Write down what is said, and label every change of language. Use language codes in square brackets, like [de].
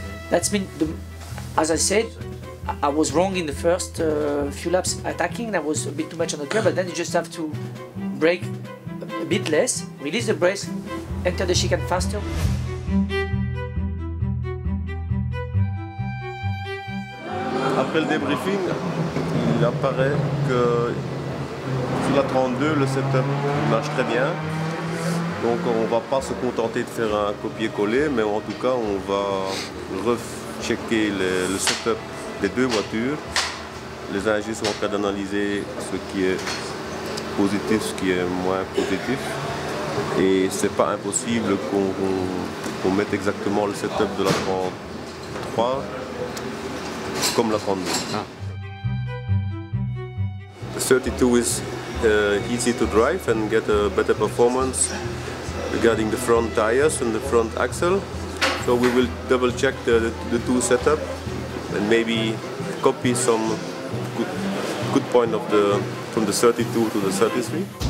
[en] That's mean, the, as I said, I was wrong in the first few laps attacking, I was a bit too much on the curve, but then you just have to brake a bit less, release the brakes, enter the chicane faster. [fr] Après le débriefing, il apparaît que sur la 32, le setup marche très bien. Donc on ne va pas se contenter de faire un copier-coller, mais en tout cas on va rechecker le setup des deux voitures. Les ingénieurs sont en train d'analyser ce qui est positif, ce qui est moins positif. Et ce n'est pas impossible qu'on mette exactement le setup de la 33. Comme la 32. [en] The 32 is easy to drive and get a better performance regarding the front tires and the front axle. So we will double check the two setup and maybe copy some good point of the from the 32 to the 33.